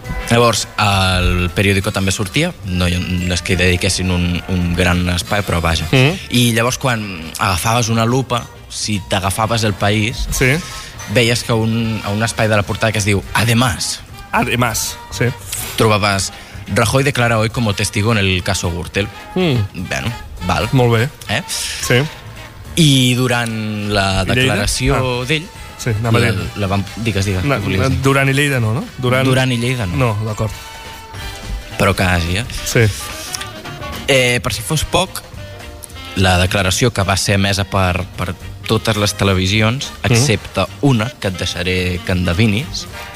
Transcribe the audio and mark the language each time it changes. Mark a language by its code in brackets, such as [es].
[ca] Llavors, el periòdico també sortia, no és que hi dediquessin un gran espai, però vaja. I llavors, quan agafaves una lupa, si t'agafaves El País, sí, veies que un espai de la portada que es diu Además. Además, sí. Trobaves [es] Rajoy declara hoy como testigo en el caso Gürtel. [ca] Bueno, val. Molt bé. Sí. I durant la declaració d'ell... Sí, anava a dir-ho. Digues. Durant i Lleida no? Durant i Lleida no. No, d'acord. Però quasi, eh? Sí. Per si fos poc, la declaració que va ser emesa per totes les televisions, excepte una, que et deixaré que endevinis...